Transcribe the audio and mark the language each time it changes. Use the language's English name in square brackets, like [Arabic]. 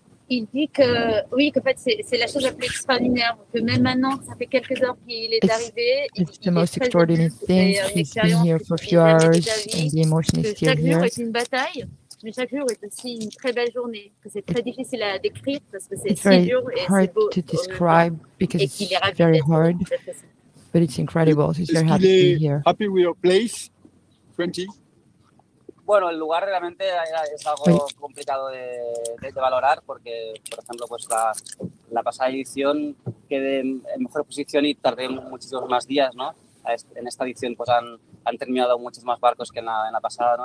[French] il dit que oui, qu'en fait c'est la chose la plus extraordinaire, que même maintenant ça fait quelques heures qu'il est arrivé, [English] it's the most extraordinary thing, he's been here for a few hours and the emotion is still here. [French] Chaque jour est une bataille, mais chaque jour est aussi une très belle journée, que c'est très difficile à décrire parce que c'est si dur et c'est beau [English] to describe because it's very hard, but it's incredible. He's very happy to be here. Happy with your place, 20. [Spanish] Bueno, el lugar realmente es algo complicado de valorar porque, por ejemplo, pues la pasada edición quedé en mejor posición y tardé muchísimos más días, ¿no? En esta edición pues han terminado muchos más barcos que en la pasada, ¿no?